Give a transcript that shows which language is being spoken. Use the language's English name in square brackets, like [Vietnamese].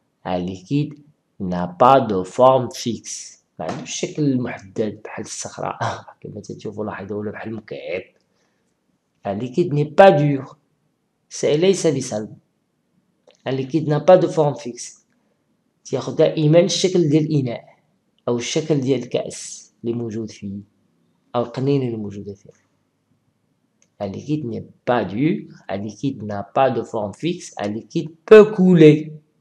[French] Un liquide n'a pas de forme fixe. Bah, du [Arabic] شكل محدد بحال الصخرة كما تشوفوا لاحظوا ولا بحال المكعب. [French] Un liquide n'est pas dur. C'est [Arabic] ليس بصلب. [French] Un liquide n'a pas de forme fixe. [Arabic] تياخد دائما الشكل ديال الإناء أو الشكل ديال الكأس اللي موجود فيه أو القنينة اللي موجودة فيه. [French] Un liquide n'est pas dur, un liquide n'a pas de forme fixe, un liquide peut couler.